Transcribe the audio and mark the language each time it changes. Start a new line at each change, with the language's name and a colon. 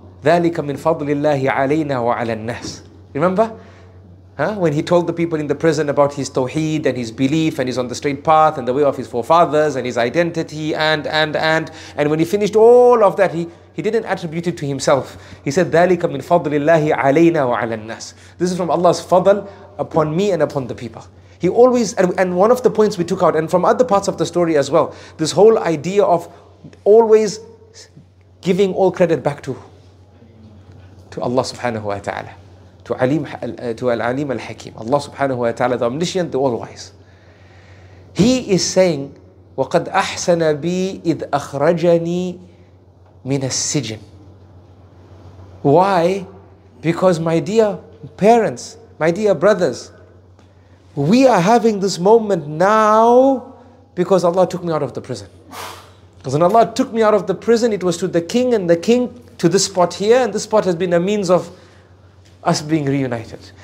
Arabic: ذَلِكَ مِنْ فَضْلِ اللَّهِ عَلَيْنَا وَعَلَى النَّاسِ.
English: Remember? Huh? When he told the people in the prison about his tawheed and his belief and he's on the straight path and the way of his forefathers and his identity and when he finished all of that, he didn't attribute it to himself. He said,
Arabic: ذَلِكَ مِنْ فَضْلِ اللَّهِ عَلَيْنَا وَعَلَى النَّاسِ.
English: This is from Allah's fadl upon me and upon the people. He always, and one of the points we took out, and from other parts of the story as well, this whole idea of always giving all credit back to Allah subhanahu wa ta'ala. To Al-Alim Al-Hakim. Allah subhanahu wa ta'ala, the omniscient, the all-wise. He is saying,
Arabic: وَقَدْ أَحْسَنَ بِي إِذْ أَخْرَجَنِي مِنَ السِّجْنِ.
English: Why? Because my dear parents, my dear brothers, we are having this moment now because Allah took me out of the prison. Because when Allah took me out of the prison, it was to the king and the king to this spot here, and this spot has been a means of us being reunited.